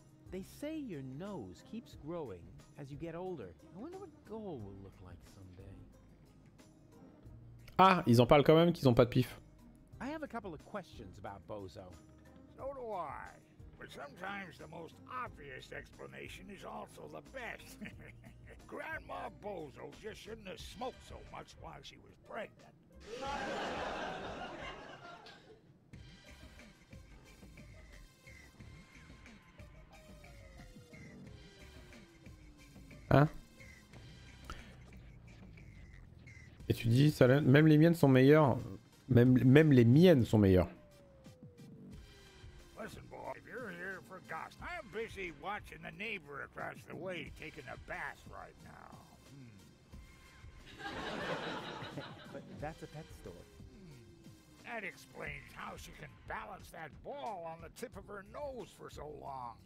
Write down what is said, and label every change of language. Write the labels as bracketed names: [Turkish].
[English] They say your nose keeps growing as you get older. I wonder what goal will look like someday. [French] Ah, ils en parlent quand même qu'ils ont pas de pif. [English] I have a couple of questions about Bozo. So do I. But sometimes the most obvious explanation is also the best. Grandma Bozo just shouldn't have smoked so much while she was pregnant. Hein? [French] Et tu dis, ça, même les miennes sont meilleures. Même les miennes sont meilleures. [English] Listen, boy, if you're here for gossip, I'm busy watching the neighbor across the way taking a bath right now. But that's a pet store. That explains how she can balance that ball on the tip of her nose for so long.